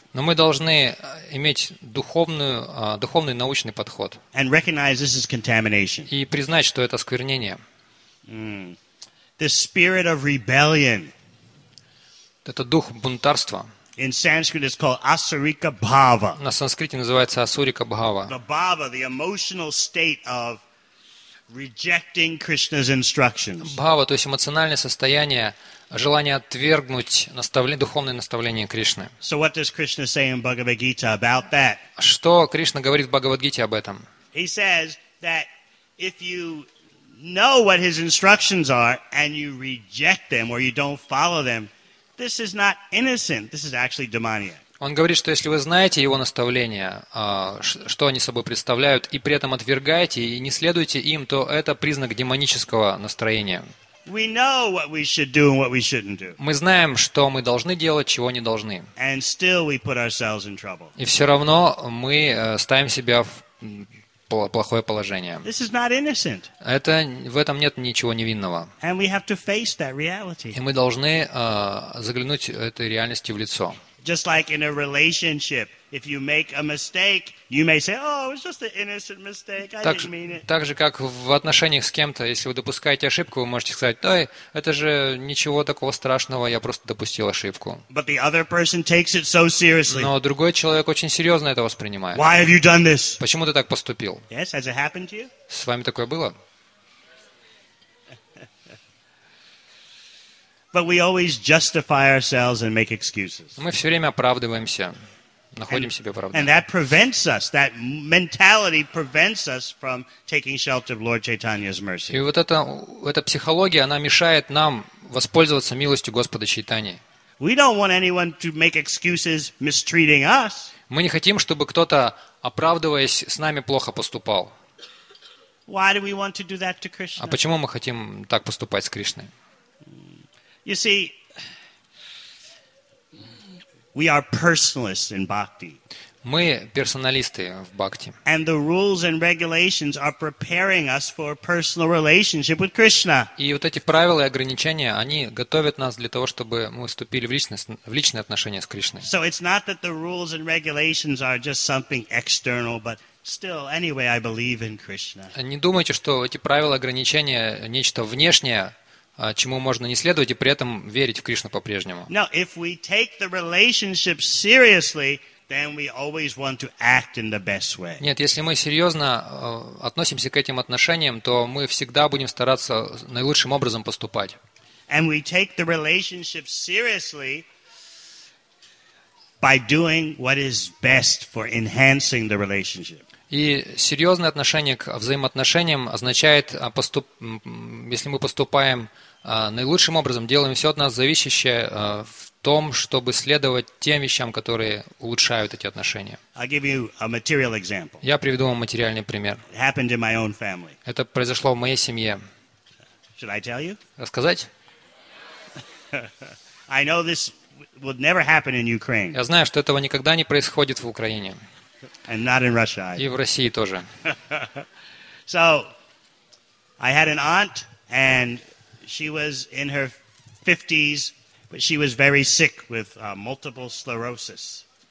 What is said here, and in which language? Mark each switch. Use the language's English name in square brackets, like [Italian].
[Russian] Но мы должны иметь духовный научный подход. [English] And recognize this is contamination. [Russian] И признать, что это осквернение. [English] The spirit of rebellion. [Russian] Это дух бунтарства. [English] In Sanskrit, it's called Asurika Bhava. [Russian] На санскрите называется Асурика Бхава. [English] The Bhava, the emotional state of rejecting Krishna's instructions. [Russian] Бхава, то есть эмоциональное состояние, желание отвергнуть духовное наставление Кришны. [English] So what does Krishna say in Bhagavad Gita about that? [Russian] Что Кришна говорит в Бхагавадгите об этом? [English] He says that if you know what his instructions are and you reject them or you don't follow them, this is not innocent. This is actually demoniac. [Russian] Он говорит, что если вы знаете его наставления, что они собой представляют, и при этом отвергаете и не следуете им, то это признак демонического настроения. [English] We know what we should do and what we shouldn't do. [Russian] Мы знаем, что мы должны делать, чего не должны. [English] And still we put ourselves in trouble. [Russian] И все равно мы ставим себя в плохое положение. [English] This is not innocent. [Russian] Это в этом нет ничего невинного. [English] And we have to face that reality. [Russian] И мы должны заглянуть этой реальности в лицо. [English] Just like in a relationship, if you make a mistake, you may say, "Oh, it was just an innocent mistake. I didn't mean it." [Russian] Так же, как в отношениях с кем-то, если вы допускаете ошибку, вы можете сказать: "Ой, это же ничего такого страшного, я просто допустил ошибку." [English] But the other person takes it so seriously. [Russian] Но другой человек очень серьезно это воспринимает. [English] Why have you done this? [Russian] Почему ты так поступил? [English] Yes, has it happened to you? [Russian] С вами такое было? [English] But we always justify ourselves and make excuses. [Russian] Мы все время оправдываемся, находим себе оправдание. [English] And that prevents us. That mentality prevents us from taking shelter of Lord Chaitanya's mercy. [Russian] И вот эта психология, она мешает нам воспользоваться милостью Господа Чайтани. [English] We don't want anyone to make excuses mistreating us. [Russian] Мы не хотим, чтобы кто-то, оправдываясь, с нами плохо поступал. [English] Why do we want to do that to Krishna? [Russian] А почему мы хотим так поступать с Кришной? [English] You see, we are personalists in bhakti. [Russian] Мы персоналисты в бхакти. [English] And the rules and regulations are preparing us for a personal relationship with Krishna. [Russian] И вот эти правила и ограничения, они готовят нас для того, чтобы мы вступили в личные отношения с Кришной. [English] So it's not that the rules and regulations are just something external, but still, anyway, I believe in Krishna. [Russian] Не думайте, что эти правила и ограничения нечто внешнее, чему можно не следовать и при этом верить в Кришну по-прежнему. [English] No, if we take the relationship seriously, then we always want to act in the best way. [Russian] Нет, если мы серьезно относимся к этим отношениям, то мы всегда будем стараться наилучшим образом поступать. [English] And we take the relationship seriously by doing what is best for enhancing the relationship. [Russian] И серьезное отношение к взаимоотношениям означает, если мы поступаем наилучшим образом, делаем все от нас зависящее в том, чтобы следовать тем вещам, которые улучшают эти отношения. [English] I'll give you a material example. [Russian] Я приведу вам материальный пример. [English] It happened in my own family. [Russian] Это произошло в моей семье. [English] Should I tell you? [Russian] Рассказать? [English] I know this would never happen in Ukraine. [Russian] Я знаю, что этого никогда не происходит в Украине. [English] And not in Russia. [Russian] И в России тоже. [English] So, I had an aunt, and she was in her 50s, but she was very sick with multiple sclerosis.